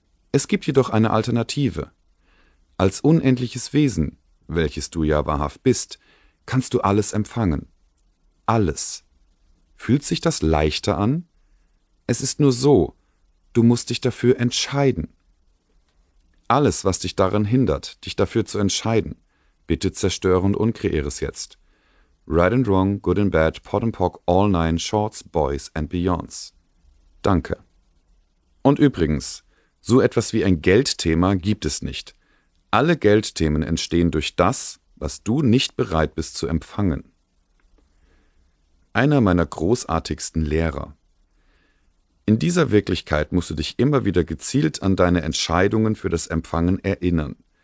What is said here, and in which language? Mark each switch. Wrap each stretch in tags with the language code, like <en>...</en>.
<de>Es gibt jedoch eine Alternative. Als unendliches Wesen, welches du ja wahrhaft bist, kannst du alles empfangen. Alles. Fühlt sich das leichter an? Es ist nur so, du musst dich dafür entscheiden. Alles, was dich daran hindert, dich dafür zu entscheiden, bitte zerstöre und unkreiere es jetzt.</de> <en>Right and wrong, good and bad, pot and pock, all 9 shorts, boys and beyonds.</en> <de>Danke. Und übrigens, so etwas wie ein Geldthema gibt es nicht. Alle Geldthemen entstehen durch das, was du nicht bereit bist zu empfangen. Einer meiner großartigsten Lehrer. In dieser Wirklichkeit musst du dich immer wieder gezielt an deine Entscheidungen für das Empfangen erinnern.</de>